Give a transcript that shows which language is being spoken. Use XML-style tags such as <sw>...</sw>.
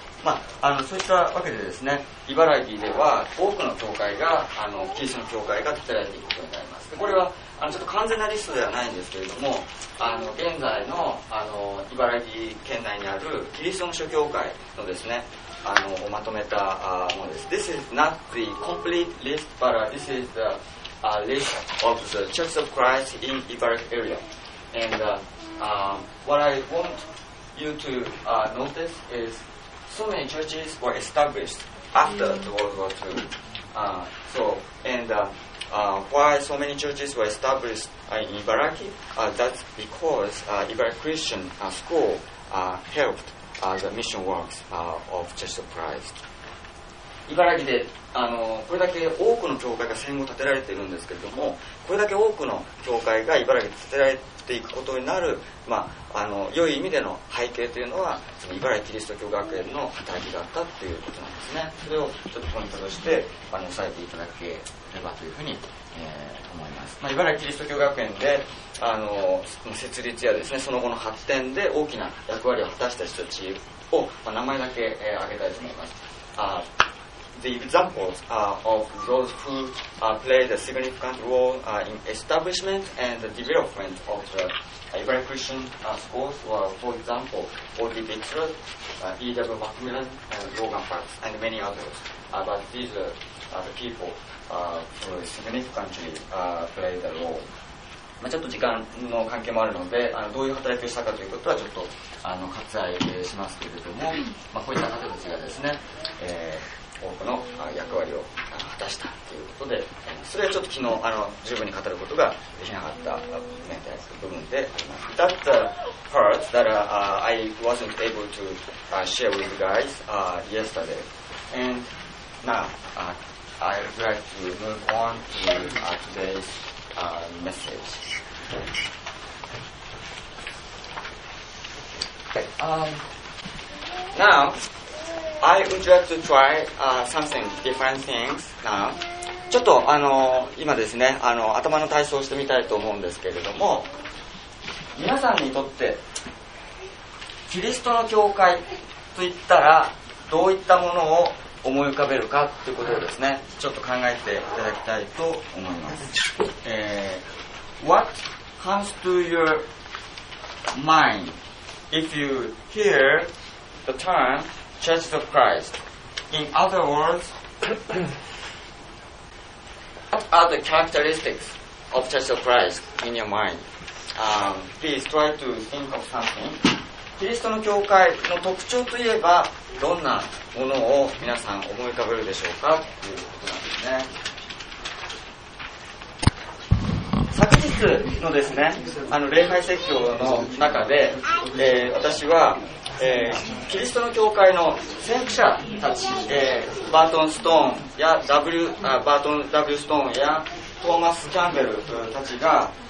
<ja>まあ、そうしたわけでですね、茨城では多くの教会がキリストの教会が建てられていくことになります。でこれはちょっと完全なリストではないんですけれども、現在の茨城県内にあるキリストの諸教会のですね、をまとめたものです。</ja> <en>This is not the complete list, but this is the list of the Church of Christ in Iraq area. And what I want you to notice is so many churches were established after the World War II. Why so many churches were established in Iraq? That's because Iraq Christian School helpedthe mission works of Church of Christ.</en> <ja>茨城でこれだけ多くの教会が戦後建てられているんですけれども、これだけ多くの教会が茨城で建てられていくことになる、まあ、良い意味での背景というのは、その茨城キリスト教学園の働きだったということなんですね。それをちょっとポイントとして押さえていただければというふうに、思います。まあ、茨城キリスト教学園で設立やですね、その後の発展で大きな役割を果たした人たちを、名前だけ、挙げたいと思います。</ja> <en>The examples of those who played a significant role in establishment and the development of the Iraqi Christian schools were, for example, O.D. Bixler, E.W. Macmillan, and Logan Parks, and many others. But these are the people who significantly played a role.</en> <ja>まあ、ちょっと時間の関係もあるので、どういう働きをしたかということはちょっと割愛しますけれども、まあ、こういった方たちがですね、多くの役割を果たしたということで、それはちょっと昨日十分に語ることができなかった部分であります。</ja> <en>That the part that I wasn't able to share with you guys yesterday. And now I would like to move on to today'smessage. Now, I would like to try something different things now.</en> <ja>ちょっと今ですね、頭の体操をしてみたいと思うんですけれども、皆さんにとってキリストの教会といったらどういったものを思い浮かべるかということをですね、ちょっと考えていただきたいと思います。</ja> <en>What comes to your mind if you hear the term Church of Christ? In other words, what are the characteristics of Church of Christ in your mind? Please try to think of something.</en> <ja>キリストの教会の特徴といえば、どんなものを皆さん思い浮かべるでしょうかということなんですね。昨日のですね、礼拝説教の中で、私は、キリストの教会の先駆者たち、バートン・ストーンや W・ストーンやトーマス・キャンベルたちが、</ja>